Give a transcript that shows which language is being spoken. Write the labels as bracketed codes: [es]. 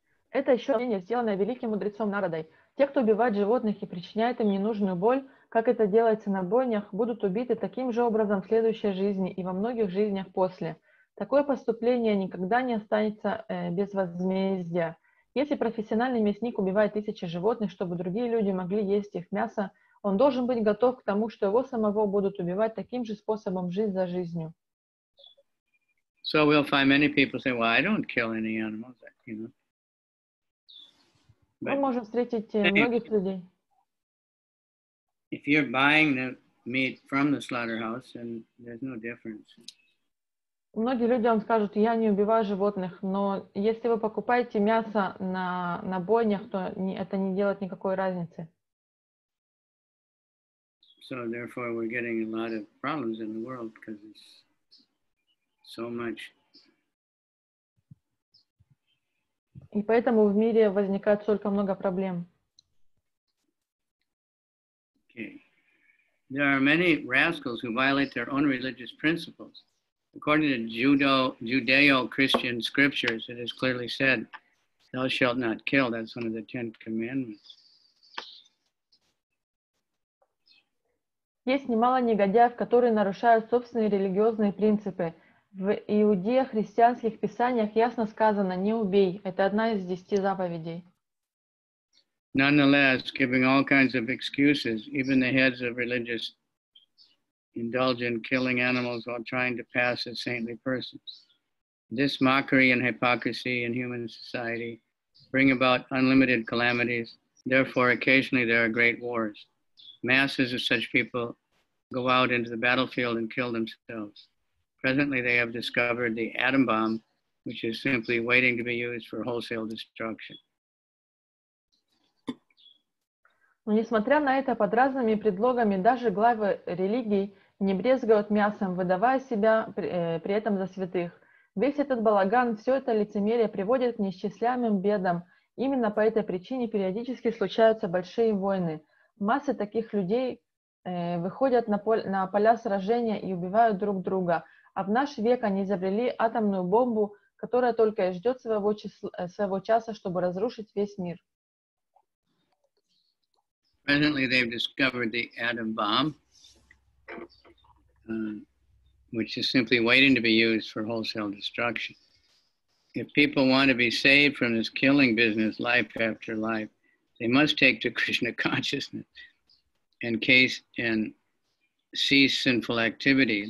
[ru] Это еще мнение, сделанное великим мудрецом Нарадой. Те, кто убивает животных и причиняет им ненужную боль, как это делается на бойнях, будут убиты таким же образом в следующей жизни и во многих жизнях после. Такое поступление никогда не останется без возмездия. Если профессиональный мясник убивает тысячи животных, чтобы другие люди могли есть их мясо, он должен быть готов к тому, что его самого будут убивать таким же способом жизнь за жизнью. [en] So we'll find many people say, well, I don't kill any animals, you know. [ru] Мы можем встретить многих людей. [en] If you're buying the meat from the slaughterhouse, then there's no difference. [ru] Многие люди вам скажут, я не убиваю животных, но если вы покупаете мясо на бойнях, то это не делает никакой разницы. [en] So therefore we're getting a lot of problems in the world because there's so much. [ru] И поэтому в мире возникает столько много проблем. [en] Okay. There are many rascals who violate their own religious principles. According to Judeo-Christian scriptures, it is clearly said, "Thou shalt not kill." That's one of the Ten Commandments. [ru] Есть немало негодяев, которые нарушают собственные религиозные принципы. В иудео-христианских писаниях ясно сказано «не убей». Это одна из 10 заповедей. [en] Nonetheless, giving all kinds of excuses, even the heads of religious indulge in killing animals while trying to pass as saintly persons. This mockery and hypocrisy in human society bring about unlimited calamities. Therefore, occasionally there are great wars. Masses of such people go out into the battlefield and kill themselves. Presently, they have discovered the atom bomb, which is simply waiting to be used for wholesale destruction. [ru] Но несмотря на это, под разными предлогами даже главы религий не брезгают мясом, выдавая себя при этом за святых. Весь этот балаган, все это лицемерие приводит к неисчисляемым бедам. Именно по этой причине периодически случаются большие войны. Массы таких людей выходят на поля сражения и убивают друг друга. А в наш век они изобрели атомную бомбу, которая только и ждет своего часа, чтобы разрушить весь мир. [en] Presently they've discovered the atom bomb, which is simply waiting to be used for wholesale destruction. If people want to be saved from this killing business life after life, they must take to Krishna consciousness and case in cease sinful activity.